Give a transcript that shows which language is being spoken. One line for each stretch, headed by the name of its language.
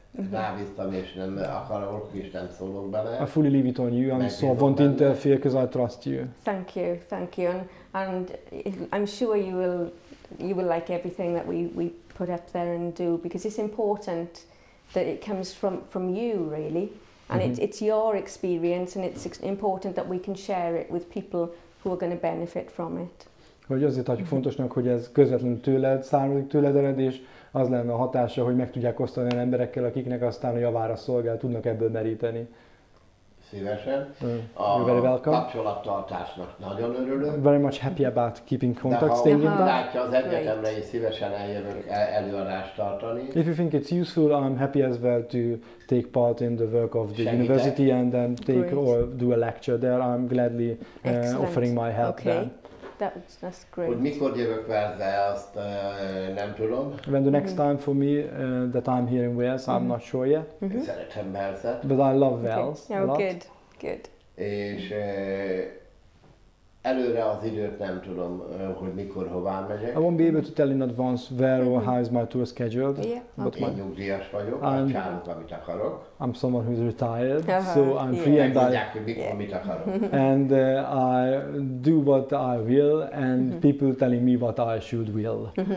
Hungarian: Rábíztam, és nem akarok, és nem szólok bele.
English: I fully leave it on you, I'm so I won't interfere, because I trust you. Thank you, and I'm sure you will like everything that we put up there and do, because it's important that it comes from you, really, and it's your experience, and it's important that we can share it with people who are going to benefit from it.
Hungarian: Hogy azért tartjuk fontosnak, hogy ez közvetlenül tőled származik, tőled ered, és az lenne a hatása, hogy meg tudják osztani olyan emberekkel, akiknek aztán a javára szolgál, tudnak ebből meríteni. Szívesen.
English: You're very welcome.
Hungarian: A kapcsolattartásnak nagyon örülök.
English: Very much happy about keeping contact, staying in touch.
Hungarian: Látja az egyetemre, és szívesen eljövök előadást tartani.
English: If you think it's useful, I'm happy as well to take part in the work of the university and then take or do a lecture there. I'm gladly offering my help there. That's great.
Hungarian: Hogy mikor jövök Wales-be, azt nem tudom.
English: When the next time for me that I'm here in Wales, I'm not sure yet.
Hungarian: Mm-hmm. Szeretem Wales-et.
English: But I love Wales. Okay. Oh, good, good.
Hungarian: És előre az időt nem tudom, hogy mikor hová megyek.
English: I won't be able to tell in advance where or how is my tour scheduled. Yeah, okay.
Hungarian: Én nyugdíjas vagyok, I'm, csinálok, amit akarok.
English: I'm someone who's retired, so I'm free and I do what I will, and people telling me what I should will.